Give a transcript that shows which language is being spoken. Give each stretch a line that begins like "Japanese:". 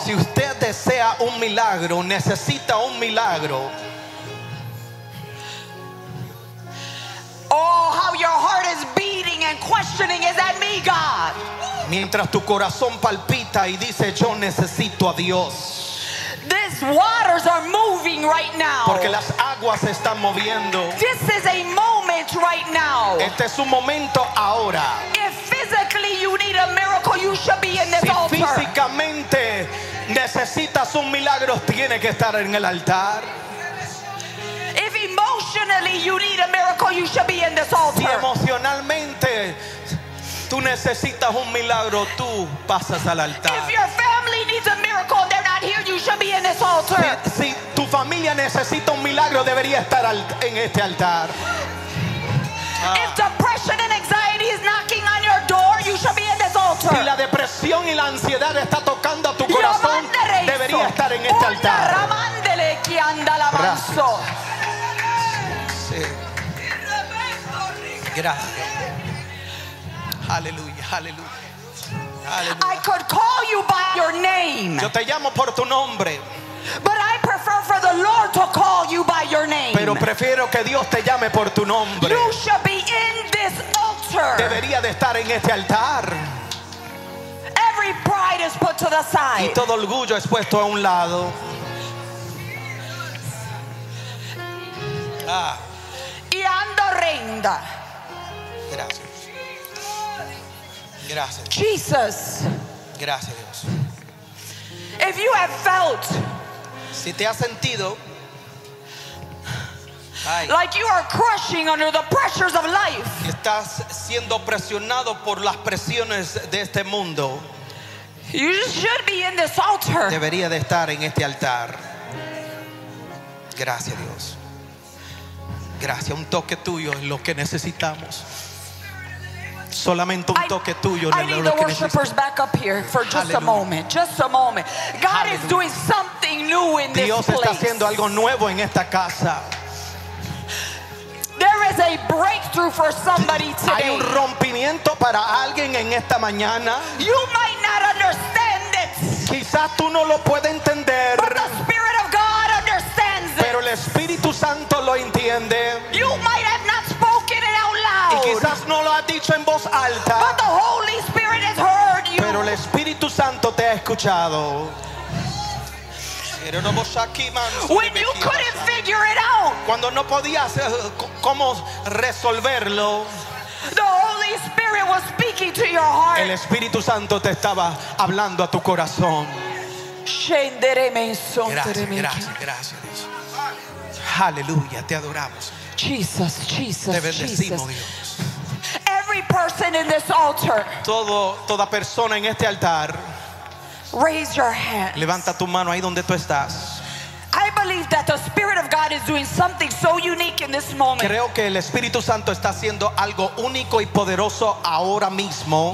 Spanish: si usted desea un milagro, necesita un milagro.
English: Oh, how your heart is beating and questioning, is that me, God?
Spanish: Mientras tu corazón palpita y dice, yo necesito a Dios.
English: These waters are moving right now.
Spanish: Porque las aguas se están moviendo.
English: This is a moment right now.
Spanish: Este es un momento ahora.
English: If physically you need a miracle, you should be in this
Spanish: si
English: altar.
Spanish: Si físicamente necesitas un milagro, tienes que estar en el altar.
English: If emotionally you need a miracle, you should be in this altar.
Spanish: Si emocionalmente tú necesitas un milagro, tú pasas al altar.
English: If your family needs a miracle, they're not here, you should be in this altar.
Spanish: Si tu familia necesita un milagro, debería estar en este altar.
English: If depression and anxiety is knocking on your door, you should be in this altar.
Spanish: Si la depresión y la ansiedad está tocando a tu corazón, debería estar en este altar. Ramándele que anda la manso. Sí. Gracias. Aleluya, aleluya, aleluya.
English: I could call you by your name.
Spanish: Yo te llamo por tu nombre.
English: But I prefer for the Lord to call you by your name.
Spanish: Pero prefiero que Dios te llame por tu nombre.
English: You should be in this altar.
Spanish: Debería de estar en este altar.
English: Every pride is put to the side.
Spanish: Y todo orgullo es puesto a un lado. Ah. Y ando renda. Gracias. Gracias. Jesus. Gracias, Dios.
English: If you have felt
Spanish: si te has sentido,
English: like you are crushing under the pressures of life,
Spanish: estás siendo presionado por las presiones de este mundo,
English: you should be in this altar.
Spanish: Debería de estar en este altar. Gracias, Dios. Gracias. Un toque tuyo es lo que necesitamos. Solamente un toque tuyo.
English: I need the worshipers back up here for just a moment. Just a moment. God is doing something new in this place.
Spanish: Dios está haciendo algo nuevo en esta casa.
English: There is a breakthrough for somebody today.
Spanish: Hay un rompimiento para alguien en esta mañana.
English: You might not understand it.
Spanish: Quizás tú no lo puedes entender.
English: But the Spirit of God understands it.
Spanish: Pero el Espíritu Santo lo entiende.
English: You might have not spoken it out loud.
Spanish: Y quizás no lo has dicho en voz alta.
English: But the Holy Spirit has heard you.
Spanish: Pero el Espíritu Santo te ha escuchado.
English: When you couldn't figure it out,
Spanish: cuando no podías cómo resolverlo,
English: the Holy Spirit was speaking. speaking to your heart.
Spanish: El Espíritu Santo te estaba hablando a tu corazón. Scendere menso. Gracias, gracias, gracias. Aleluya, te adoramos. Jesus, Jesus, te bendecimos, Dios.
English: Every person in this altar.
Spanish: Toda persona en este altar.
English: Raise your hands.
Spanish: Levanta tu mano ahí donde tú estás.
English: I believe that the Spirit of God is doing something so unique in this moment.
Spanish: Creo que el Espíritu Santo está haciendo algo único y poderoso ahora mismo.